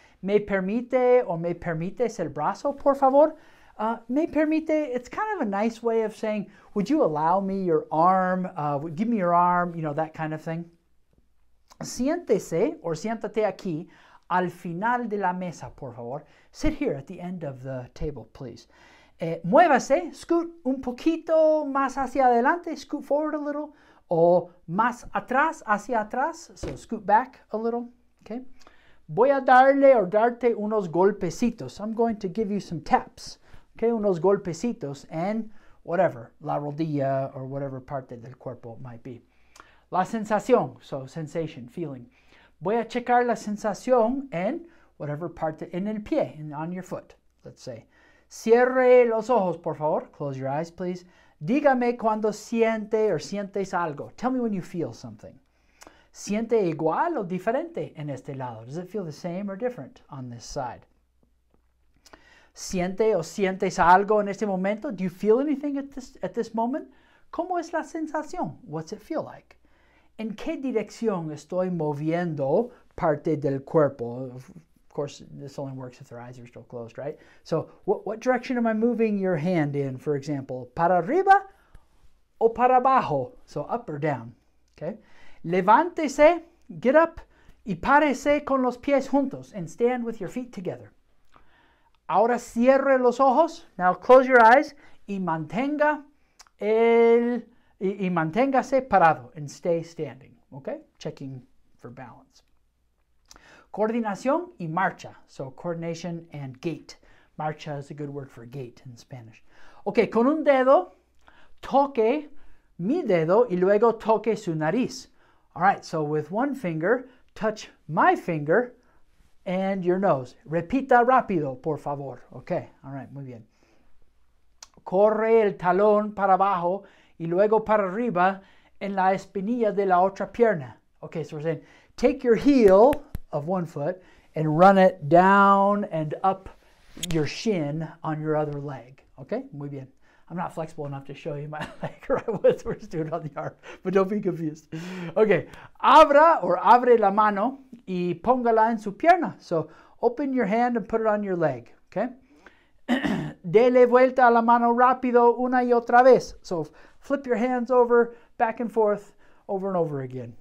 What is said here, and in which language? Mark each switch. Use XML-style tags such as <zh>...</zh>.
<es>¿Me permite o me permites el brazo, por favor? ¿Me permite?</es> <en>It's kind of a nice way of saying, would you allow me your arm? Give me your arm, you know, that kind of thing.</en> <es>Siéntese or siéntate aquí al final de la mesa, por favor.</es> <en>Sit here at the end of the table, please.</en> <es>Muévase, scoot un poquito más hacia adelante,</es> <en>scoot forward a little,</en> <es>o más atrás, hacia atrás,</es> <en>so scoot back a little, okay?</en> <es>Voy a darle o darte unos golpecitos.</es> <en>I'm going to give you some taps, okay?</en> <es>Unos golpecitos</es> <en>and whatever,</en> <es>la rodilla or whatever parte del cuerpo</es> <en>might be.</en> <es>La sensación,</es> <en>so sensation, feeling.</en> <es>Voy a checar la sensación en whatever parte, en el pie,</es> <en>in, on your foot, let's say.</en> <es>Cierre los ojos, por favor.</es> <en>Close your eyes, please.</en> <es>Dígame cuando siente o sientes algo.</es> <en>Tell me when you feel something.</en> <es>¿Siente igual o diferente en este lado?</es> <en>Does it feel the same or different on this side?</en> <es>¿Siente o sientes algo en este momento?</es> <en>Do you feel anything at this moment?</en> <es>¿Cómo es la sensación?</es> <en>What's it feel like?</en> <es>¿En qué dirección estoy moviendo parte del cuerpo?</es> <en>Of course, this only works if their eyes are still closed, right? So, what direction am I moving your hand in, for example?</en> <es>¿Para arriba o para abajo?</es> <en>So, up or down, okay?</en> <es>Levántese,</es> <en>get up,</en> <es>y párese con los pies juntos,</es> <en>and stand with your feet together.</en> <es>Ahora cierre los ojos.</es> <en>Now, close your eyes</en> <es>y mantenga y manténgase parado,</es> <en>and stay standing, okay? Checking for balance.</en> <es>Coordinación y marcha.</es> <en>So, coordination and gait. Marcha is a good word for gait in Spanish.</en> <es>Okay, con un dedo, toque mi dedo y luego toque su nariz.</es> <en>All right, so with one finger, touch my finger and your nose.</en> <es>Repita rápido, por favor. Okay, all right, muy bien. Corre el talón para abajo y luego para arriba en la espinilla de la otra pierna.</es> <en>Okay, so we're saying, take your heel of one foot and run it down and up your shin on your other leg. Okay? Muy bien. I'm not flexible enough to show you my leg or I was doing it on the arm, but don't be confused. Okay.</en> <es>Abra or abre la mano y póngala en su pierna.</es> <en>So open your hand and put it on your leg. Okay?</en> <es>Dele vuelta a la mano rápido una y otra vez.</es> <en>So flip your hands over, back and forth, over and over again.</en>